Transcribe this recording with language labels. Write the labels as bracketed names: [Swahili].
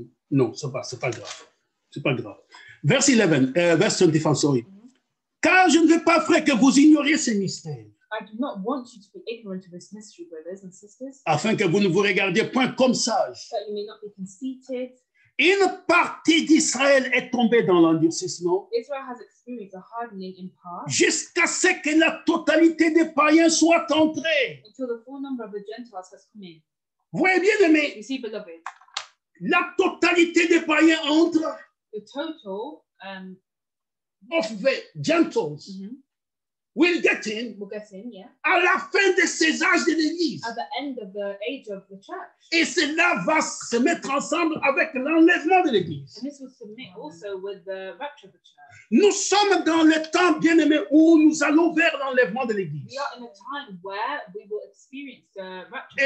[French] Non, ça va, c'est pas grave. [English] Verse 25, sorry. [French] Mm-hmm. Car je ne veux pas, frère, que vous ignoriez ces mystères. [English] I do not want you to be ignorant of this mystery, brothers and sisters. [French] Afin que vous ne vous regardiez point comme sages. [English] That you may not be conceited. [French] Une partie d'Israël est tombée dans l'endurcissement. [English] Israel has experienced a hardening in part. [French] Jusqu'à ce que la totalité des païens soit entrée. [English] Until the full number of the Gentiles has come in. [French] Vous voyez bien, aimé. [English] You see, beloved. [French] La totalité des païens entre. [English] The total. Of the Gentiles. Mm-hmm. Will get in. Will get in, yeah. [French] À la fin de ces âges de l'Église. [English] At the end of the age of the church. [French] Et cela va se mettre ensemble avec l'enlèvement de l'Église. [English] And this will submit also with the rapture of the church. [French] Nous sommes dans le temps, bien aimé, où nous allons vers l'enlèvement de l'Église. [English] We are in a time where we will experience the rapture.